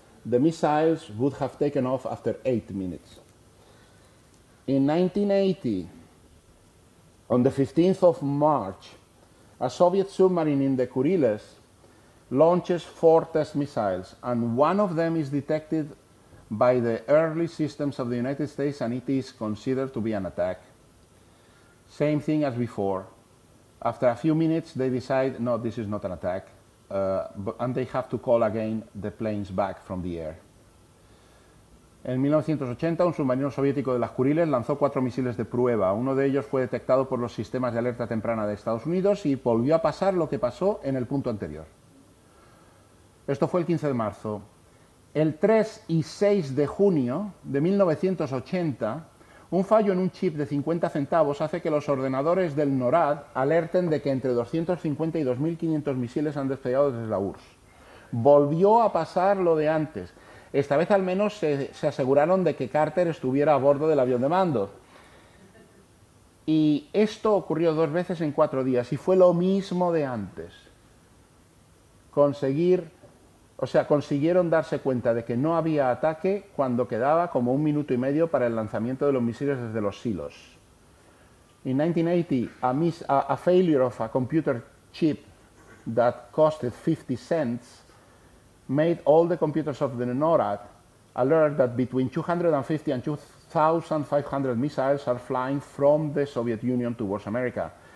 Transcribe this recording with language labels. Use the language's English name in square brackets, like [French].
[English] The missiles would have taken off after 8 minutes. In 1980, on the 15th of March, a Soviet submarine in the Kuriles launches 4 test missiles, and one of them is detected by the early systems of the United States, and it is considered to be an attack. Same thing as before. After a few minutes, they decide, no, this is not an attack, and they have to call again the planes back from the air. [Spanish] En 1980, un submarino soviético de las Kuriles lanzó 4 misiles de prueba. Uno de ellos fue detectado por los sistemas de alerta temprana de Estados Unidos y volvió a pasar lo que pasó en el punto anterior. Esto fue el 15 de marzo. El 3 y 6 de junio de 1980, un fallo en un chip de 50 centavos hace que los ordenadores del NORAD alerten de que entre 250 y 2.500 misiles han despegado desde la URSS. Volvió a pasar lo de antes. Esta vez al menos se aseguraron de que Carter estuviera a bordo del avión de mando. Y esto ocurrió 2 veces en 4 días y fue lo mismo de antes. Consiguieron darse cuenta de que no había ataque cuando quedaba como 1 minuto y medio para el lanzamiento de los misiles desde los silos. [English] In 1980, a failure of a computer chip that costed 50 cents made all the computers of the NORAD alert that between 250 and 2,500 missiles are flying from the Soviet Union towards America.